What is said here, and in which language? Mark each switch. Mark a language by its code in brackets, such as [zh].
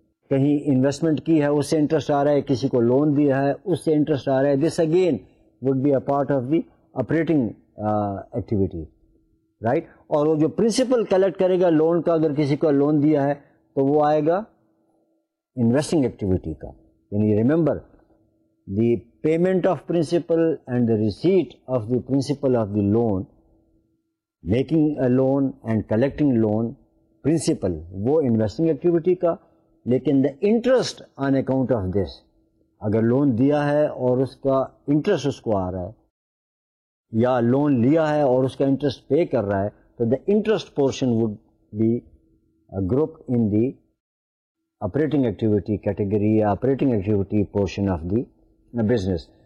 [ur] کہیں انویسٹمنٹ کی ہے اس سے انٹرسٹ آ رہا ہے, کسی کو لون دیا ہے اس سے انٹرسٹ آ رہا ہے, [en] This again would be a part of the operating activity, right. [ur] اور وہ جو پرنسپل کلیکٹ کرے گا لون کا, اگر کسی کو لون دیا ہے تو وہ آئے گا انویسٹنگ ایکٹیویٹی کا. یعنی [en] Remember the payment of principal and the receipt of the principal of the loan, making a loan and collecting loan principal, وہ investing activity کا. [ur] لیکن [en] the interest on account of this, [ur] اگر loan دیا ہے اور اس کا انٹرسٹ اس کو آ رہا ہے, یا لون لیا ہے اور اس کا انٹرسٹ پے کر رہا ہے, تو [en] The interest portion would be group in the operating activity category یا operating activity portion of the business.